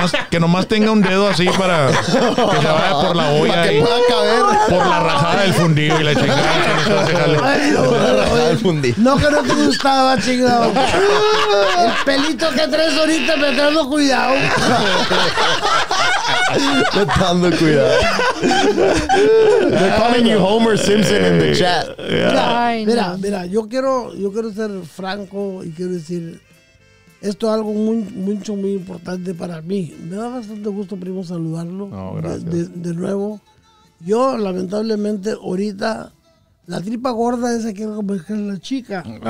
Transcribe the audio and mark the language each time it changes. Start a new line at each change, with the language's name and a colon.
Spanish: Que nomás tenga un dedo así para que se vaya por la olla. Que pueda caer. Por la rajada del fundillo y la chingada. No, la rajada del fundillo. No, que no te gustaba, chingado. El pelito que traes ahorita me está dando cuidado. Me está dando cuidado.
English: They're calling you Homer Simpson in the chat.
Spanish: Mira, yo quiero ser franco y quiero decir esto es algo muy importante para mí. Me da bastante gusto, primo, saludarlo. No, gracias. De nuevo, yo lamentablemente ahorita la tripa gorda esa quiero convencer a la chica.